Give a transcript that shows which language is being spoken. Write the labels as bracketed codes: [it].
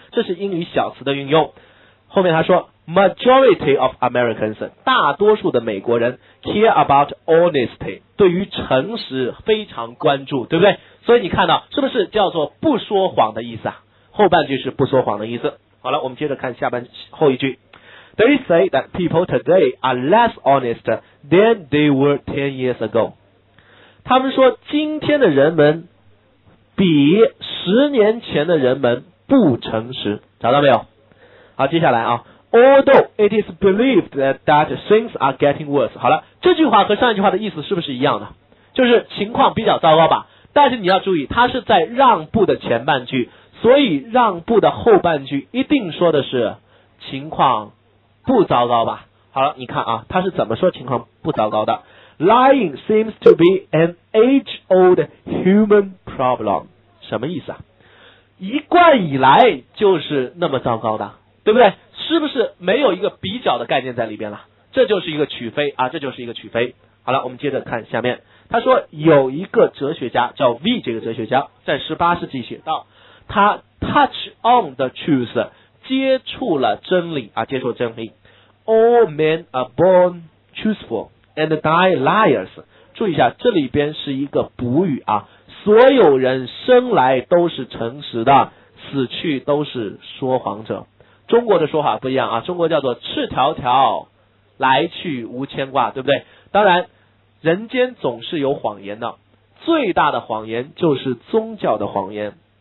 [zh] 这是英语小词的运用。后面他说 [en] majority of Americans [zh] 大多数的美国人 [en] care about honesty [zh] 对于诚实非常关注，对不对？所以你看到是不是叫做不说谎的意思啊？后半句是不说谎的意思。好了，我们接着看下半后一句。 [en] They say that people today are less honest than they were 10 years ago。 [zh] 他们说今天的人们比十年前的人们不诚实，找到没有？ [en] 好，接下来啊， Although it is believed that things are getting worse。 [zh] 好了，这句话和上一句话的意思是不是一样的？就是情况比较糟糕吧，但是你要注意它是在让步的前半句，所以让步的后半句一定说的是情况不糟糕吧。好了，你看啊，它是怎么说情况不糟糕的？ [en] Lying seems to be an age old human problem。 什么意思啊？ [zh] 一贯以来就是那么糟糕的，对不对？是不是没有一个比较的概念在里边了？这就是一个取非啊，这就是一个取非。好了，我们接着看下面。他说有一个哲学家叫 V， 这个哲学家在18世纪写道，他 [en] touch on the truth， [zh] 接触了真理啊，接触真理。 [en] All men are born truthful and die liars。 [zh] 注意一下，这里边是一个补语啊，所有人生来都是诚实的，死去都是说谎者。中国的说法不一样啊，中国叫做赤条条来去无牵挂，对不对？当然人间总是有谎言的，最大的谎言就是宗教的谎言。